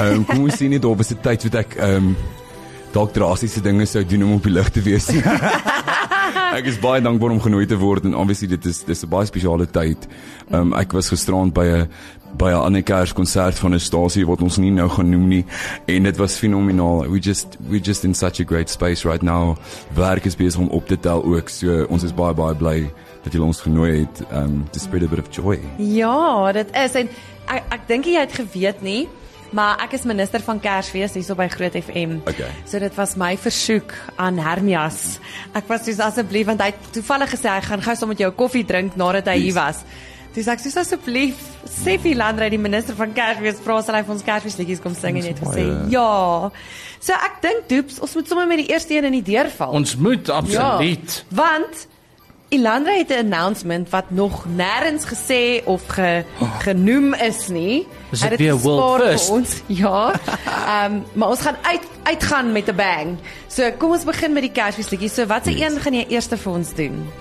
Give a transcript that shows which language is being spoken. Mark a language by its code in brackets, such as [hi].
[af] kom ons sien nie daar was die tyd wat ek dalk drastiese dinge sou doen om op die lig te wees Ek is baie dankbaar om genooi te word en obviously dit is 'n baie spesiale tyd. Ek was gisteraand by 'n ander kerskonsert van 'n stasie wat ons nie nou genoem nie en dit was fenomenaal. [en] We just in such a great space right now. [af] Werk is besig om op te tel ook. So ons is baie baie bly dat julle ons genooi het [en] to spread a bit of joy. [af] Ja, dit is en ek dink jy het geweet nie. Maar ek is minister van Kersfees hierso by Groot FM. Okay. So dit was my versoek aan Hermias. Ek was soos asseblief want hy het toevallig gesê hy gaan gou saam met jou koffie drink nadat hy hier was. Dis ek soos asseblief sê vir Landre die minister van Kersfees vra as hy vir ons Kersfeesliedjies kom sing en het gesê ja. So ek dink doeps ons moet sommer met die eerste een in die deur val. Ons moet absoluut. Ja, want Landre het 'n announcement wat nog nêrens gesê of genoem is nie. Is dit weer [en] world first? [af] Ons, ja, maar ons gaan uitgaan met 'n bang. So kom ons begin met die Kersfeesliedjie. So wat se een gaan jy eerste vir ons doen?